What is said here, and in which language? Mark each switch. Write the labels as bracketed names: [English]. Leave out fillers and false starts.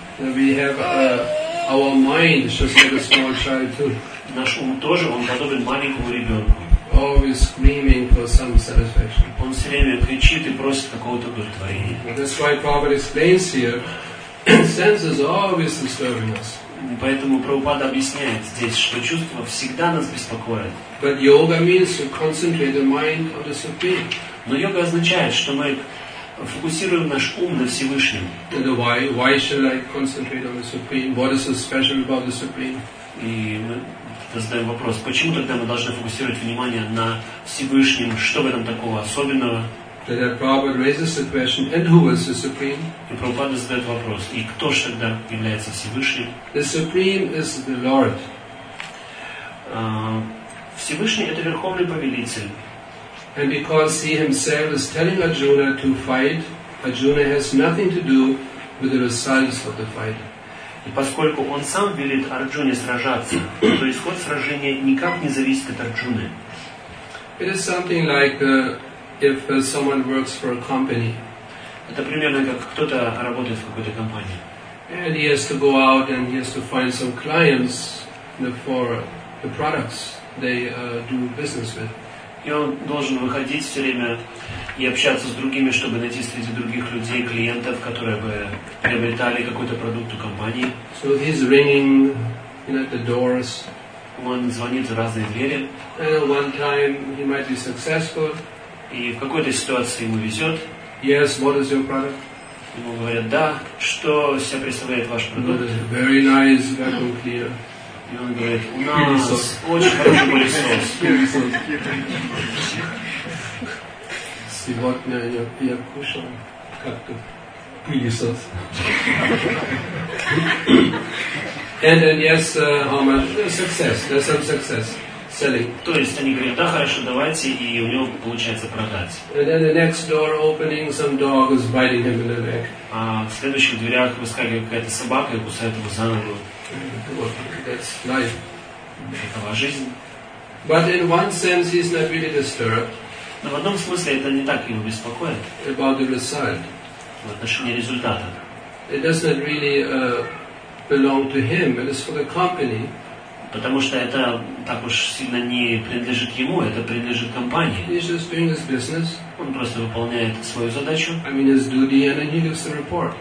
[English] We have our mind just like a small child too. [Russian] Наш ум тоже, он подобен маленькому ребенку. [English] Always screaming for some satisfaction. [Russian] Он все время кричит и просит какого-то удовлетворения. [English] That's why Prabhupada explains here, senses always disturbing us. [Russian] Поэтому Прабхупада объясняет здесь, что чувства всегда нас беспокоят. [English] But yoga means to concentrate the mind on the Supreme. [Russian] Но йога означает, что мы фокусируем наш ум на Всевышнем. [English] And why should I concentrate on the Supreme? What is so special about the Supreme? [Russian] И мы задаем вопрос, почему тогда мы должны фокусировать внимание на Всевышнем, что в этом такого особенного? [English] That Prabhupada raises the question, and who is the Supreme? [Russian] И Прабхупада задает вопрос, и кто же тогда является Всевышним? [English] The Supreme is the Lord. [Russian] Всевышний — это Верховный Повелитель. [English] And because he himself is telling Arjuna to fight, Arjuna has nothing to do with the results of the fight. [Russian] И поскольку он сам велит Арджуне сражаться, то исход сражения никак не зависит от Арджуны. [English] It is something like if someone works for a company. [Russian] Это примерно как кто-то работает в какой-то компании. [English] And he has to go out and he has to find some clients for the products they do business with. [Russian] И он должен выходить все время и общаться с другими, чтобы найти среди других людей клиентов, которые бы приобретали какой-то продукт у компании. [English] So he's ringing, at the doors. [Russian] Он звонит в разные двери. [English] And one time he might be successful. [Russian] И в какой-то ситуации ему везет. [English] Yes, what is your product? [Russian] Ему говорят, да, что себя представляет ваш продукт? [English] Very nice vacuum cleaner. [Russian] И он говорит, у нас очень хороший пылесос. Сегодня я кушал как-то пылесос. [English] And then, yes, success. There's some success selling. [Russian] То есть они говорят, да, хорошо, давайте, и у него получается продать. [English] And then the next door opening, some dog is biting him in the neck. [Russian] А в следующих дверях выскакивает какая-то собака и кусает его за ногу. [English] That's life. [Russian] Жизнь. [English] But in one sense, he's not really disturbed. [Russian] Но в одном смысле это не так его беспокоит. [English] About the result. [Russian] В отношении результата. [English] It doesn't really belong to him. It is for the company. [Russian] Потому что это так уж сильно не принадлежит ему, это принадлежит компании. [English] He's just doing his business. [Russian] Он просто выполняет свою задачу. [English] I mean his duty, and then he gives the report.